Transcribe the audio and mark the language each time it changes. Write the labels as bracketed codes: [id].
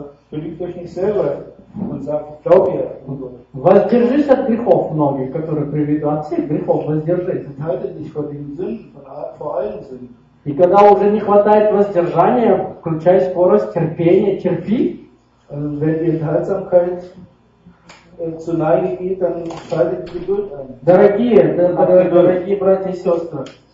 [de] Belügt euch nicht selber und sagt, ich glaube ja. [ru] Воздержись от грехов многих, которые приведут от всех грехов, воздержись. [de] Enthalte dich vor den Sünden, vor allen Sünden. [ru] И когда уже не хватает воздержания, включай скорость терпения, терпи. [de] Wenn die Enthaltsamkeit zu Neige geht, dann schalte die Geduld ein. [ru] Дорогие братья и сестры,